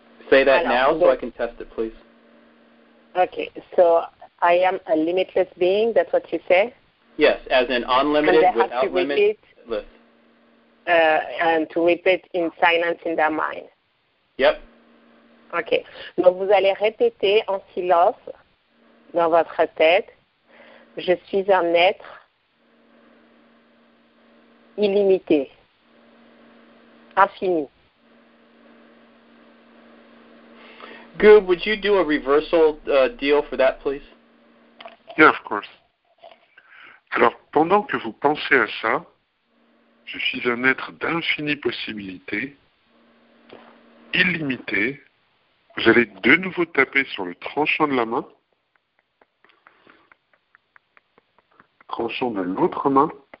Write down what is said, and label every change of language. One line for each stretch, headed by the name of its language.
English: Say that now so I can test it, please. Okay, so I am a limitless being, that's what you say? Yes, as in unlimited, without limitless. And to repeat in silence in their mind. Yep.
French: Okay, donc vous allez répéter en silence dans votre tête, je suis un être illimité, infini.
English: Goob, would you do a reversal deal for that, please? Yeah, of course.
French: Alors, pendant que vous pensez à ça, je suis un être d'infinie possibilité, illimité. Vous allez de nouveau taper sur le tranchant de la main, tranchant de l'autre main.